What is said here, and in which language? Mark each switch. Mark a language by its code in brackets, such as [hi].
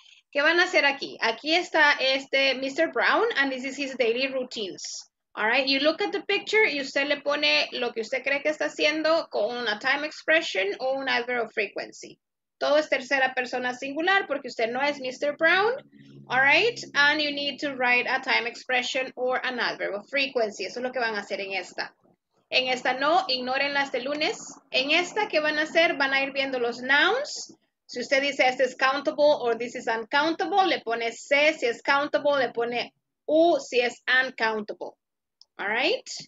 [es] ¿Qué van a hacer aquí? Aquí está este Mr. Brown, [en] and this is his daily routines. All right, you look at the picture, [es] y usted le pone lo que usted cree que está haciendo con una [en] time expression [es] o un [en] adverb of frequency. [es] Todo es tercera persona singular porque usted no es Mr. [en] Brown. All right? And you need to write a time expression or an adverb of frequency. [es] Eso es lo que van a hacer en esta. En esta no, ignórenla este lunes. En esta, ¿qué van a hacer? Van a ir viendo los nouns. Si usted dice, este es countable or [en] this is uncountable, [es] le pone C si es countable, le pone U si es uncountable. [en] All right?